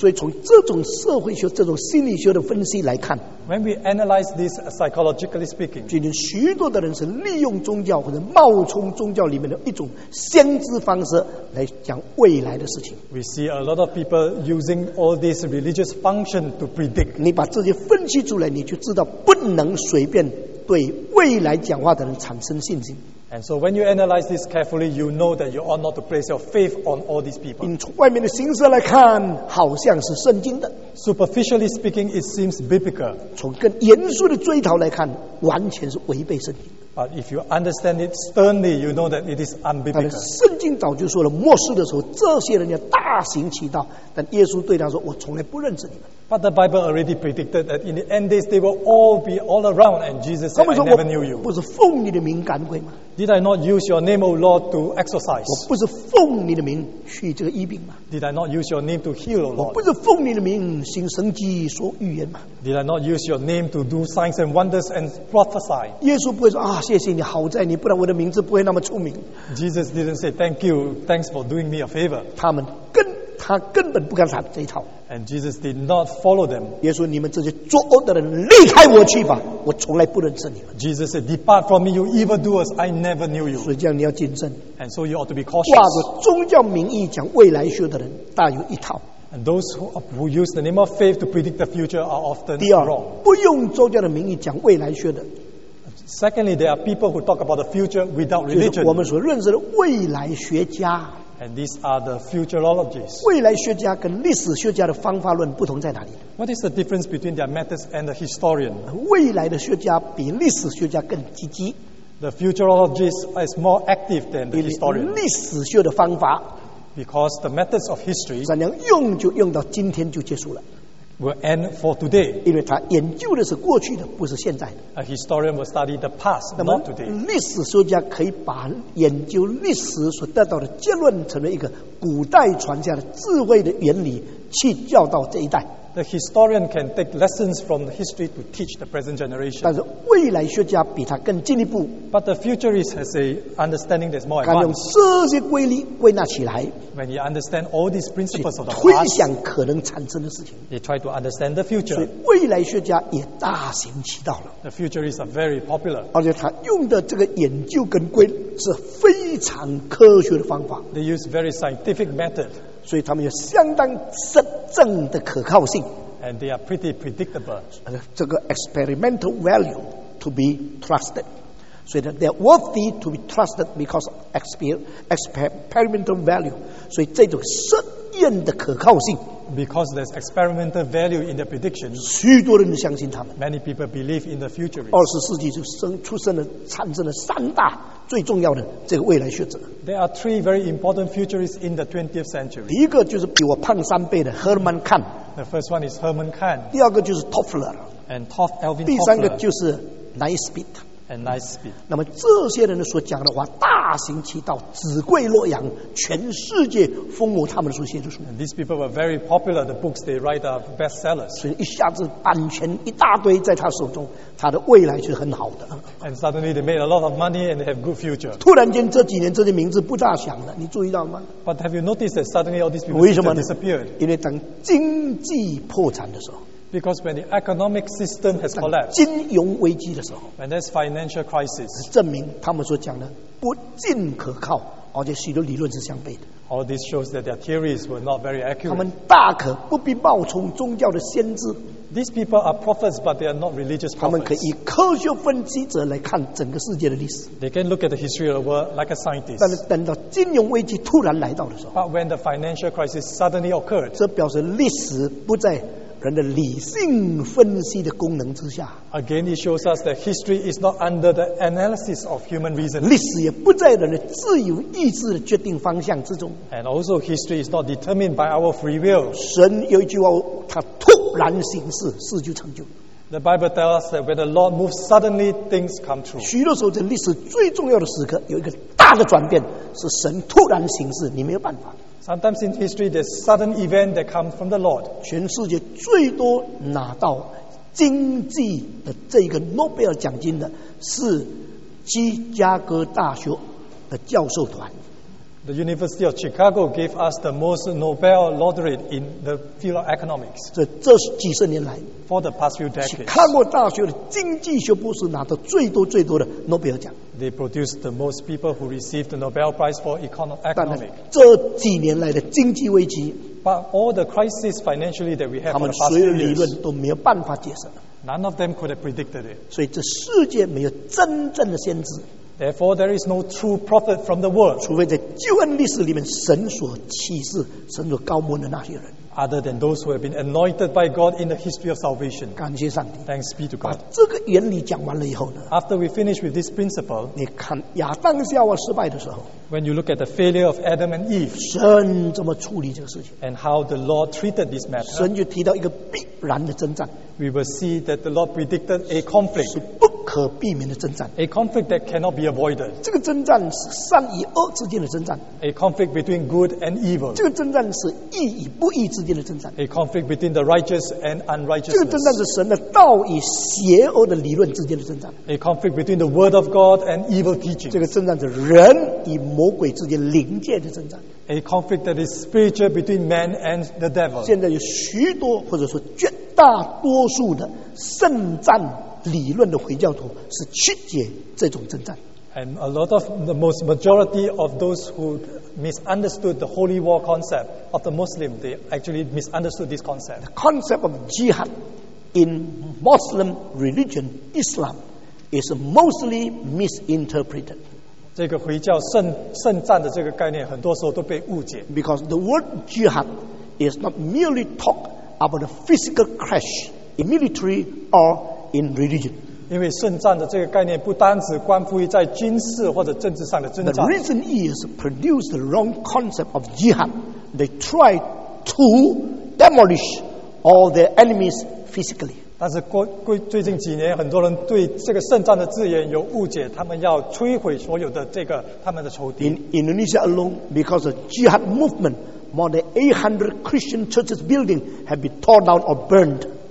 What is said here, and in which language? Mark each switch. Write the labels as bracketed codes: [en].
[zh] 所以从这种社会学、这种心理学的分析来看， [en] When we analyze this psychologically speaking, [zh] 今天许多的人是利用宗教或者冒充宗教里面的一种先知方式来讲未来的事情。 [en] We see a lot of people using all these religious function to predict. [zh] 你把自己分析出来，你就知道不能随便对未来讲话的人产生信心。 [en] And so when you analyze this carefully, you know that you ought not to place your faith on all these people. [zh] 从外面的形式来看，好像是圣经的。 [en] Superficially speaking, it seems biblical. [zh] 从更严肃的追讨来看，完全是违背圣经。 [en] But if you understand it sternly, you know that it is unbiblical. [zh] 圣经早就说了，末世的时候，这些人要大行其道。但耶稣对他说：“我从来不认识你们。” [en] But the Bible already predicted that in the end days they will all be all around. And Jesus said, "I never knew you." [zh] 不是奉你的名赶鬼吗？ [en] Did I not use your name, O Lord, to exorcise? [zh] 我不是奉你的名去这个医病吗？ [en] Did I not use your name to heal, O Lord? [zh] 我不是奉你的名行神迹说预言吗？ [en] Did I not use your name to do signs and wonders and prophesy? [zh] 耶稣不会说啊。谢谢你，好在你，不然我的名字不会那么出名。 [en] Jesus didn't say thank you, thanks for doing me a favor. [zh] 他根本不敢谈这一套。 [en] And Jesus did not follow them. [zh] 耶稣，你们这些作恶的人，离开我去吧，我从来不认识你们。 [en] Jesus said, depart from me, you evildoers, I never knew you. [zh] 所以这样你要谨慎。 [en] And so you ought to be cautious. [zh] 挂着宗教名义讲未来学的人，大有一套。 [en] And those who use the name of faith to predict the future are often wrong. [zh] 不用宗教的名义讲未来学的。 [en] Secondly, there are people who talk about the future without religion. [zh] 就是我们所认识的未来学家。 [en] And these are the futurologists. [zh] 未来学家跟历史学家的方法论不同在哪里？ [en] What is the difference between their methods and the historian? [zh] 未来的学家比历史学家更积极。 [en] The futurologist is more active than the historian. [zh] 历史学的方法。 [en] Because the methods of history. [zh] 怎样用就用到今天就结束了。 [en] Will end for today. [zh] 因为他研究的是过去的，不是现在的。 [en] A historian will study the past, not today. [zh] 历史学家可以把研究历史所得到的结论，成为一个古代传下的智慧的原理，去教导这一代。 [en] The historian can take lessons from the history to teach the present generation. [zh] 但是未来学家比他更进一步。 [en] But the futurist has an understanding that's more advanced. [zh] 他用这些规律归纳起来。 [en] When he understands all these principles of the past, [zh] 推想可能产生的事情。 [en] He tried to understand the future. [zh] 所以未来学家也大行其道了。 [en] The futurists are very popular. [zh] 而且他用的这个研究跟规律是非常科学的方法。 [en] They use very scientific method. [zh] 所以他们有相当深。正的可靠性 [en] and they are pretty predictable. [zh] 这个 [en] experimental value to be trusted. So they are worthy to be trusted because of experimental value. [zh] 所以这种实验的可靠性 [en] because there's experimental value in the prediction. [zh] 许多人相信他们 [en] many people believe in the future. [zh] 二十世纪就出生了产生了三大最重要的这个未来学者 [en] There are three very important futurists in the 20th century. [zh] 第一个就是比我胖三倍的 Hermann Kahn. [en] The first one is Hermann Kahn. [zh] 第二个就是 Toffler. [en] And Toff, Alvin [zh] Toffler. 第三个就是 Naismith. [en] And Naismith. [zh] 那么这些人所讲的话大行其道，子贵洛阳，全世界封我他们所写的书。 [en] And these people were very popular. The books they write are bestsellers. [zh] 所以一下子版权一大堆在他手中，他的未来是很好的。 [en] And suddenly they made a lot of money and they have good future. [zh] 突然间这几年这些名字不大响了，你注意到吗 [en] ？But have you noticed that suddenly all these people disappeared? [zh] 因为等经济破产的时候。 [en] Because when the economic system has collapsed, [zh] 金融危机的时候 [en] when there's financial crisis, [zh] 证明他们所讲的不尽可靠，而且许多理论是相悖的。 [en] All this shows that their theories were not very accurate. [zh] 他们大可不必冒充宗教的先知。 [en] These people are prophets, but they are not religious prophets. [zh] 他们可以科学分析者来看整个世界的历史。 [en] They can look at the history of the world like a scientist. [zh] 但是等到金融危机突然来到的时候 [en] but when the financial crisis suddenly occurred, [zh] 这表示历史不再人的理性分析的功能之下 [en] Again, it shows us that history is not under the analysis of human reason. [zh] 历史也不在人的自由意志的决定方向之中 [en] And also, history is not determined by our free will. [zh] 神有一句话，他突然行事，事就成就。 [en] The Bible tells us that when the Lord moves, suddenly things come true. [zh] 许多时候，在历史最重要的时刻，有一个大的转变，是神突然行事，你没有办法。 [en] Sometimes in history, there's a sudden event that comes from the Lord. [zh] 全世界最多拿到经济的这个诺贝尔奖金的是芝加哥大学的教授团。 [en] The University of Chicago gave us the most Nobel laureate in the field of economics. [zh] 这几十年来 [en] ，for the past few decades, [zh] Chicago 大学的经济学博士拿到最多最多的诺贝尔奖。 [en] They produced the most people who received the Nobel Prize for economics. [zh] 这几年来的经济危机 [en] ，but all the crises financially that we have for the past few years, [zh] 他们所有理论都没有办法解释。 [en] None of them could have predicted it. [zh] 所以这世界没有真正的先知。 [en] Therefore, there is no true prophet from the world. [zh] 除非在救恩历史里面，神所启示、神所高牧的那些人。 [en] Other than those who have been anointed by God in the history of salvation. [zh] 感谢上帝。 [en] Thanks be to God. [zh] 把这个原理讲完了以后呢 [en] ？After we finish with this principle, [zh] 你看亚当夏娃失败的时候 [en] ，When you look at the failure of Adam and Eve, [zh] 神怎么处理这个事情 [en] ？And how the Lord treated this matter? [zh] 神就提到一个必然的征战。 [en] We will see that the Lord predicted a conflict. [zh] 可避免的征战 [en] ，a conflict that cannot be avoided。 [zh] 这个征战是善与恶之间的征战 [en] ，a conflict between good and evil。 [zh] 这个征战是义与不义之间的征战 [en] ，a conflict between the righteous and unrighteous。 [zh] 这个征战是神的道与邪恶的理论之间的征战 [en] ，a conflict between the word of God and evil teaching。 [zh] 这个征战是人与魔鬼之间灵界的征战 [en] ，a conflict that is spiritual between man and the devil。 [zh] 现在有许多或者说绝大多数的圣战。理论的回教徒是曲解这种征战。 [en] And a lot of the most majority of those who misunderstood the holy war concept of the Muslim, they actually misunderstood this concept. The concept of jihad in Muslim religion, Islam, is mostly misinterpreted. [zh] 这个回教圣战的这个概念很多时候都被误解。 [en] Because the word jihad is not merely talk about a physical clash in military or in religion. [zh] 因为圣战的这个概念不单只关乎于在军事或者政治上的征战。 [en] The reason is produce the wrong concept of jihad. They try to demolish all their enemies physically. [zh] 但是最近几年很多人对这个圣战的字眼有误解，他们要摧毁所有的这个他们的仇敌。 [en] In Indonesia alone, because of jihad movement, more than 800 Christian churches building have been torn down or burned.